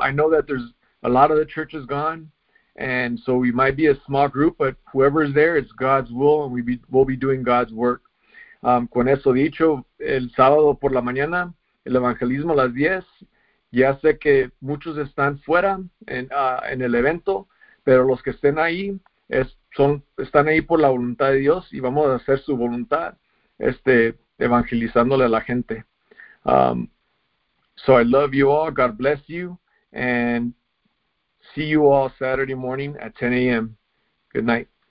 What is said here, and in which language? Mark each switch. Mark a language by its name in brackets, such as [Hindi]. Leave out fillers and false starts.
[English] I know that there's a lot of the church is gone, and so we might be a small group, but whoever is there, it's God's will, and we'll be doing God's work. [Spanish] Con eso dicho, el sábado por la mañana, el evangelismo a las 10, ya sé que muchos están fuera en el evento, pero los que estén ahí, están ahí por la voluntad de Dios, y vamos a hacer su voluntad, evangelizándole a la gente. [English] So I love you all, God bless you, and see you all Saturday morning at 10 a.m. Good night.